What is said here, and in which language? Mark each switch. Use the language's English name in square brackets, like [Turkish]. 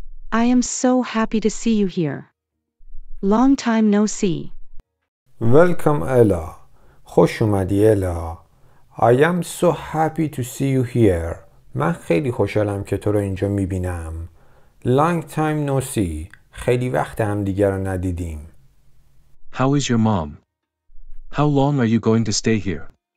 [English] I am so happy to see you here. Long time no see. Welcome, Ella. [Persian] خوش اومدی, [English] Ella. I am so happy to see you here. [Persian] من خیلی خوشحالم که تو رو اینجا میبینم. [English] Long time no see. [Persian] خیلی وقت هم دیگر رو ندیدیم. [English] How is your mom? How long are you going to stay here?